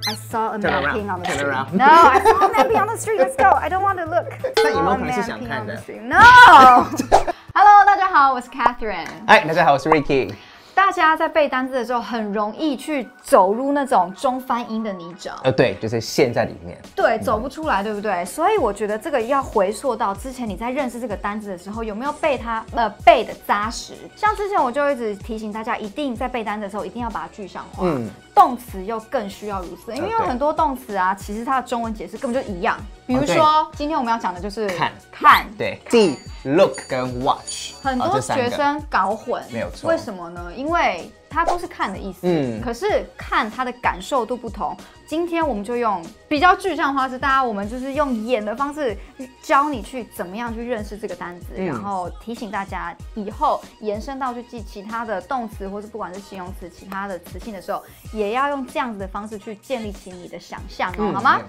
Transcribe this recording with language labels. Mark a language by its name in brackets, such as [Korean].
[English] I saw a man peeing on the street. Turn around. No, I saw a man peeeing on the street. Let's go. I don't want to look. [Chinese] 那你们可能是想看的。 [English] No. [Chinese] Hello, 大家好，我是 Catherine. Hi, 大家好，我是 Ricky. 大家在背单字的时候很容易去走入那种中翻英的泥沼，对，就是陷在里面，对，走不出来，对不对？所以我觉得这个要回溯到之前你在认识这个单字的时候有没有背它背的扎实。像之前我就一直提醒大家，一定在背单字的时候一定要把它具象化，动词又更需要如此，因为有很多动词啊，其实它的中文解释根本就一样。比如说，今天我们要讲的就是看，对 ，see、look 跟 watch，很多学生搞混，没有错。为什么呢？因为它都是看的意思，可是看它的感受度不同。今天我们就用比较具象化，是大家我们就是用演的方式教你去怎么样去认识这个单字，然后提醒大家以后延伸到去记其他的动词或是不管是形容词其他的词性的时候，也要用这样子的方式去建立起你的想象，好吗？